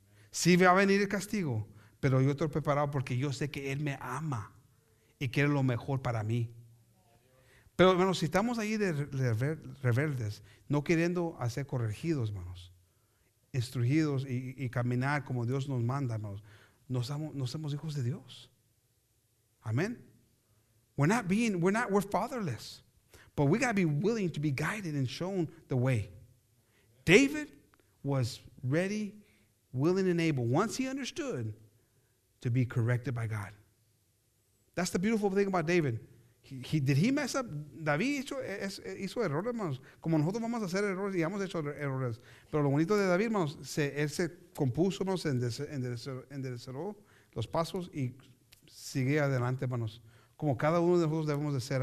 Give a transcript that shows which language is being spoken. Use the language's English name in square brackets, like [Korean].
[Spanish] Sí va a venir el castigo, pero yo estoy preparado porque yo sé que Él me ama y quiere lo mejor para mí. Pero, hermanos, si estamos ahí de rebeldes, no queriendo ser corregidos, hermanos, instruidos y caminar como Dios nos manda, hermanos, no somos hijos de Dios. Amén. [English] We're fatherless, but we got to be willing to be guided and shown the way. David was ready, willing and able, once he understood, to be corrected by God. That's the beautiful thing about David. Did he mess up? David [Spanish] hizo errores, hermanos. Como nosotros vamos a hacer errores y hemos hecho errores. Pero lo bonito de David, hermanos, él se compuso, hermanos, enderezó los pasos y sigue adelante, hermanos. Como cada uno de nosotros debemos de ser.